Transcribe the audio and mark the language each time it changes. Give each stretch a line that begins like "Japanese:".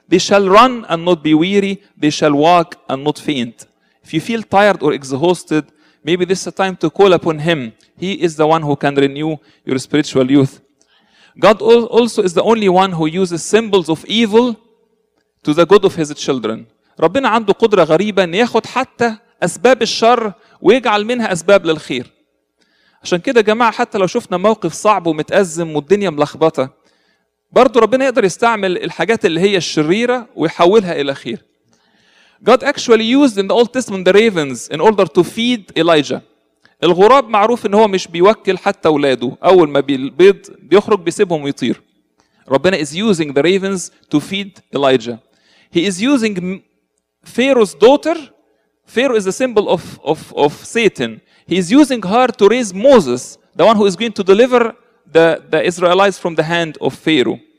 English: They shall run and not be weary. They shall walk and not faint. If you feel tired or exhausted, maybe this is a time to call upon him. He is the one who can renew your spiritual youth. God also is the only one who uses symbols of evil to the good of his children.
Arabic: ربنا عنده قدرة غريبة ان ياخد حتى أسباب الشر ويجعل منها أسباب للخير. عشان كده جماعة حتى لو شفنا موقف صعب ومتأزم والدنيا ملخبطة، برضو ربنا يقدر يستعمل الحاجات اللي هي الشريرة ويحولها إلى خير.
English: God actually used in the Old Testament the ravens in order to feed Elijah.
Arabic: الغراب معروف إن هو مش بيوكل حتى أولاده، أول ما بيبيض بيخرج بيسيبهم ويطير.
English: ربنا is using the ravens to feed Elijah. He is using Pharaoh's daughter. Pharaoh is a symbol of Satan. He is using her to raise Moses, the one who is going to deliver the Israelites from the hand of Pharaoh.